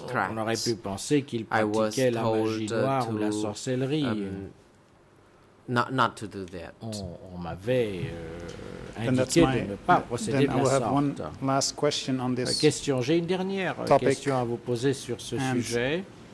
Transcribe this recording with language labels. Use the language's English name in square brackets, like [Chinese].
[French] On aurait pu penser qu'ils pratiquaient la magie noire ou la sorcellerie. [English] Not to do that. [French] On m'avait indiqué de ne pas procéder de la sorte. [English] Then I will have one last question on this [French] question. J'ai une dernière [English] topic, [French] question à vous poser sur ce sujet.